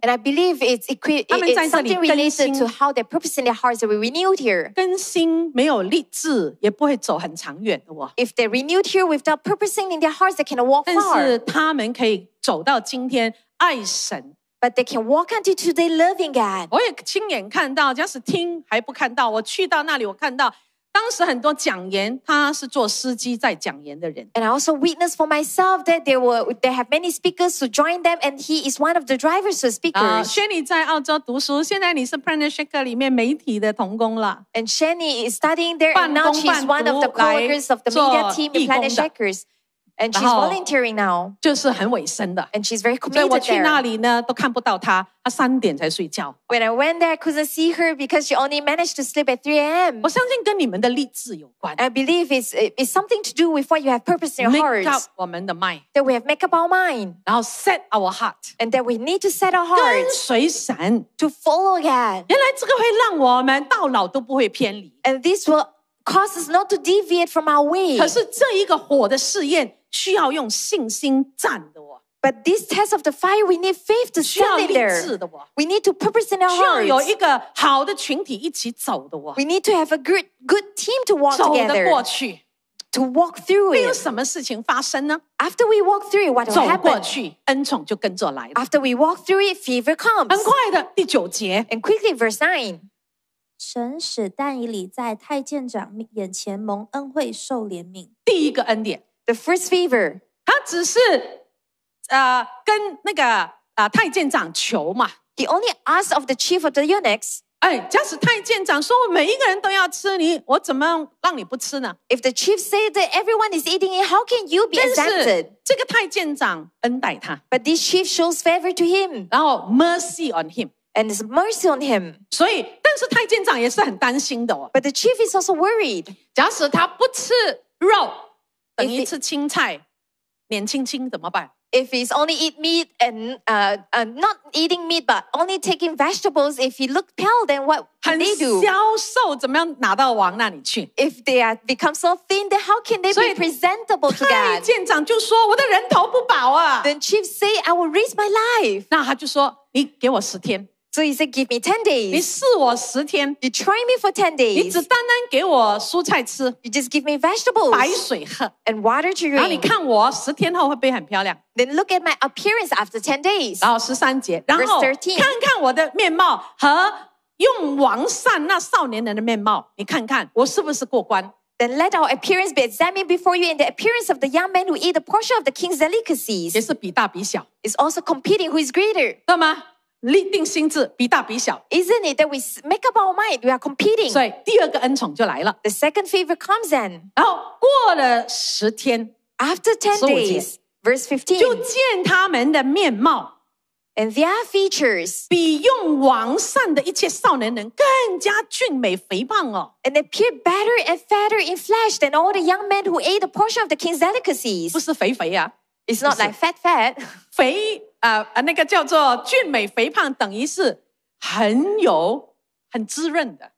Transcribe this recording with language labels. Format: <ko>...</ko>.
<en>And I believe it's something related to how their purpose in their hearts that we renewed here.</en> <zh>更新没有立志也不会走很长远的哦。</zh> <en>If they renewed here without purposing in their hearts, they cannot walk far.</en> <zh>但是他们可以走到今天爱神。</zh> <en>But they can walk until today loving God.</en> <zh>我也亲眼看到，假使听还不看到，我去到那里我看到当时很多讲员他是做司机在讲员的人。</zh> <en>And I also witnessed for myself that they have many speakers to join them and he is one of the drivers to speakers.</en> <zh>Shani 在澳洲读书现在你是 Planet Shaker 里面媒体的同工了。</zh> <en>And Shani is studying there and now she's one of the co-workers of the media team in Planet Shakers. And she's volunteering now.</en> <zh>就是很委身的。</zh> <en>And she's very committed there.</en> <zh>所以我去那里呢都看不到她她三点才睡觉。</zh> <en>When I went there, I couldn't see her because she only managed to sleep at 3 a.m.</en> <zh>我相信跟你们的立志有关。</zh> <en>I believe it's something to do with what you have purpose in your heart. Make up</en> <zh>我们的</zh> <en>mind. That we have make up our mind.</en> <zh>然后</zh> <en>set our heart. And that we need to set our heart.</en> <zh>跟随神。</zh> <en>To follow God.</en> <zh>原来这个会让我们到老都不会偏离。</zh> <en>And this will cause us not to deviate from our way.</en> <zh>可是这一个火的试验需要用信心站的哦。</zh> <en>But this test of the fire, we need faith to stand in there.</en> <zh>需要立志的哦。</zh> <en>We need to purpose in our hearts.</en> <zh>需要有一个好的群体一起走的哦。</zh> <en>We need to have a good team to walk together.</en> <zh>走得过去。</zh> <en>To walk through it.</en> <zh>会有什么事情发生呢？</zh> <en>After we walk through it, what will happen?</en> <zh>走过去，恩宠就跟着来了。</zh> <en>After we walk through it, favor comes.</en> <zh>很快的，第九节。</zh> <en>And quickly, verse 9.</en> <zh>神使但以理在太监长眼前蒙恩惠受怜悯。第一个恩典。</zh> <en>The first favor.</en> <zh>他只是、跟那个、太监长求嘛。</zh> <en>He only asked of the chief of the eunuchs.</en> <zh>哎，假使太监长说每一个人都要吃你，我怎么让你不吃呢？</zh> <en>If the chief say that everyone is eating it, how can you be exempted?</en> <zh>这个太监长恩待他。</zh> <en>But this chief shows favor to him.</en> <zh>然后</zh> <en>mercy on him. And it's mercy on him.</en> <zh>所以，但是太监长也是很担心的哦。</zh> <en>But the chief is also worried.</en> <zh>假使他不吃肉。等于吃青菜，脸青青怎么办</zh> <en>？If he's only eat meat and not eating meat but only taking vegetables, if he look pale, then what can they do?</en> <zh>很消瘦，怎么样拿到王那里去</zh> <en>？If they are become so thin, then how can they be presentable to God?</en> <zh>太监长就说：“我的人头不保啊。”</zh> <en>Then chief say, "I will risk my life."</en> <zh>那他就说：“你给我十天。”</zh> <en>So he said, "Give me 10 days."</en> <zh>你试我十天。</zh> <en>You try me for 10 days.</en> <zh>你只单单给我蔬菜吃。</zh> <en>You just give me vegetables.</en> <zh>白水喝。</zh> <en>And water to drink.</en> <zh>然后你看我十天后会不会很漂亮</zh> <en>？Then look at my appearance after 10 days.</en> <zh>然后十三节，然后</zh> <en>Verse 13.</en> <zh>看看我的面貌和用王膳那少年人的面貌，你看看我是不是过关。</zh> <en>Then let our appearance be examined before you in the appearance of the young man who eat a portion of the king's delicacies.</en> <zh>也是比大比小。</zh> <en>It's also competing who is greater.</en> <zh>对吗？立定心智，比大比小。</zh> <en>Isn't it that we make up our mind? We are competing.</en> <zh>所以第二个恩宠就来了。</zh> <en>The second favor comes then.</en> <zh>然后过了十天</zh> <en>，After 10 days, verse 15,</en> <zh>就见他们的面貌</zh> <en>，and their features</en> <zh>比用王膳的一切少年人更加俊美肥胖哦。</zh> <en>And appear better and fatter in flesh than all the young men who ate a portion of the king's delicacies.</en> <zh>不是肥肥啊。</zh> <en>It's not like fat.</en> <zh>肥那个叫做俊美肥胖等于是很有很滋润的。</zh>